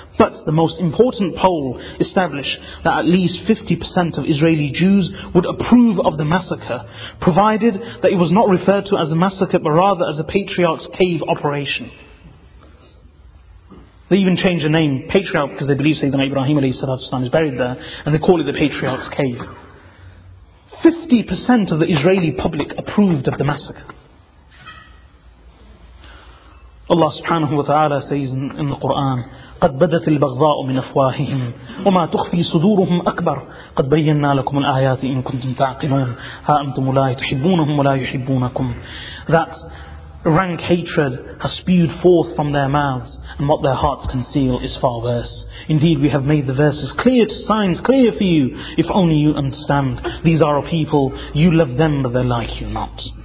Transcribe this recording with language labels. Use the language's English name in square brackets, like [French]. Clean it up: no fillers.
[English] But the most important poll established that at least 50% of Israeli Jews would approve of the massacre, provided that it was not referred to as a massacre but rather as a patriarch's cave operation. They even change the name Patriarch because they believe Sayyidina Ibrahim [Arabic] alayhi salatu wasalam [English] is buried there, and they call it the Patriarch's Cave. 50% of the Israeli public approved of the massacre. Allah subhanahu wa ta'ala says in the Quran, [Arabic] قَدْ بَدَتِ الْبَغْضَاءُ مِنْ أَفْوَاهِهِمْ وَمَا تُخْفِي صُدُورُهُمْ أَكْبَرُ قَدْ بَيَّنَّا لَكُمُ الْآيَاتِ إِن كُنْتُمْ تَعْقِلُونَ هَا أَنْتُمُ لَا تُحِبُّونَهُمْ وَلَا يُحِبُّونَكُمْ. [English] That rank hatred has spewed forth from their mouths, and what their hearts conceal is far worse. Indeed, we have made the verses clear to signs, clear for you, if only you understand. These are a people, you love them, but they like you not.